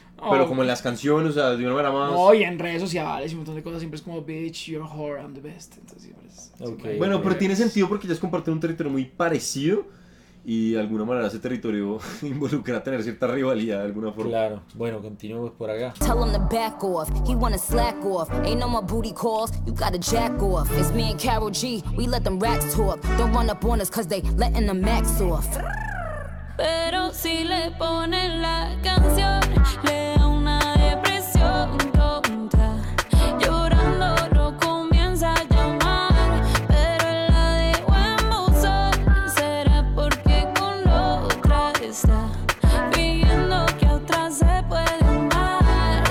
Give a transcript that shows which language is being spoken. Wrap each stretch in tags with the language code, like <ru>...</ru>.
<es>No, pero como en las canciones, o sea, de una manera más... No, y en redes sociales y un montón de cosas, siempre es como,</es> <en>bitch, you're a whore, I'm the best.</en> <es>Entonces, siempre es, okay. Bueno, pero tiene sentido porque ya es compartir un territorio muy parecido y de alguna manera ese territorio involucra tener cierta rivalidad de alguna forma. Claro, bueno, continuemos por acá.</es> <en>Tell him to back off, he wanna slack off. Ain't no more booty calls, you gotta jack off. It's me and Karol G, we let them racks talk. Don't run up on us cause they letting the max off.</en> <es>Pero si le ponen la canción, le da una depresión tonta. Llorando lo comienza a llamar, pero la de buen buzón. Será porque con otra está pidiendo que a otra se puede amar.</es>